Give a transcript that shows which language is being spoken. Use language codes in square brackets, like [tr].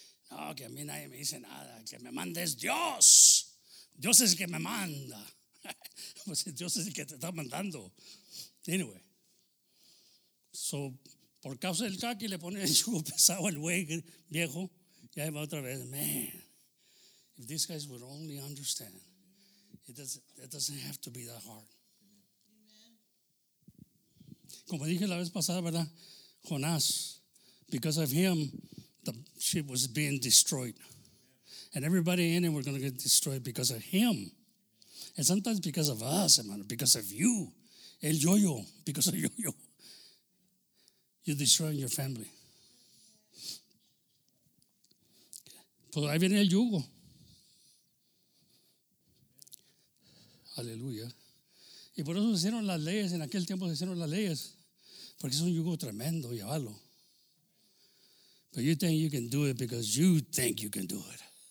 [es] No, que a mí nadie me dice nada. Que me mande es Dios. Dios es el que me manda. Pues Dios es el que te está mandando. [en] Anyway. [es] So, por causa del khaki le pone el yugo pesado al güey viejo. Y ahí va otra vez. [en] Man, if these guys would only understand, it doesn't have to be that hard. [es] Como dije la vez pasada, ¿verdad? [en] Jonás, because of him, the ship was being destroyed. And everybody in it were going to get destroyed because of him. And sometimes because of us, hermano, because of you. El yo-yo, because of yo-yo. You're destroying your family. [es] Pues ahí viene el yugo. Aleluya. Y por eso se hicieron las leyes, en aquel tiempo se hicieron las leyes. Porque es un yugo tremendo, llevarlo. [en] But you think you can do it because you think you can do it.